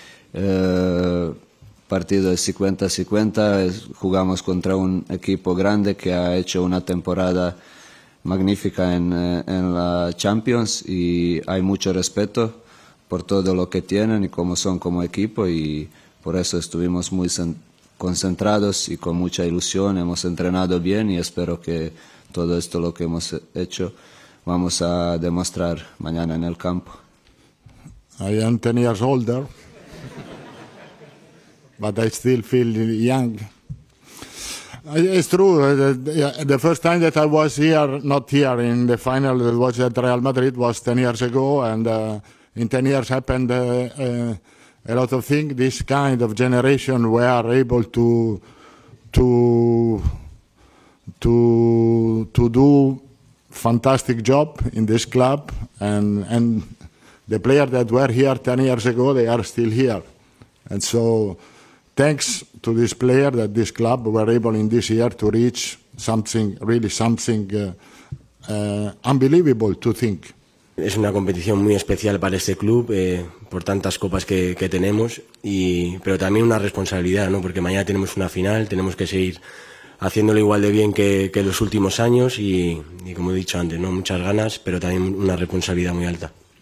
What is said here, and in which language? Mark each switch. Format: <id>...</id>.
<es>Partido de 50-50, jugamos contra un equipo grande que ha hecho una temporada magnífica en la Champions, y hay mucho respeto por todo lo que tienen y cómo son como equipo, y por eso estuvimos muy concentrados y con mucha ilusión. Hemos entrenado bien y espero que todo esto lo que hemos hecho vamos a demostrar mañana en el campo.</es> <en>I am 10 years older, but I still feel young. It's true. The first time that I was here, not here in the final, that was at Real Madrid, was 10 years ago. And in 10 years happened a lot of things. This kind of generation were able to do fantastic job in this club, and the players that were here 10 years ago, they are still here. And so thanks to this player that this club were able in this year to reach something, really something unbelievable to think.</en> <es>Es una competición muy especial para este club, por tantas copas que tenemos, pero también una responsabilidad, ¿no? Porque mañana tenemos una final, tenemos que seguir haciéndolo igual de bien que los últimos años, y como he dicho antes, ¿no? Muchas ganas, pero también una responsabilidad muy alta.</es>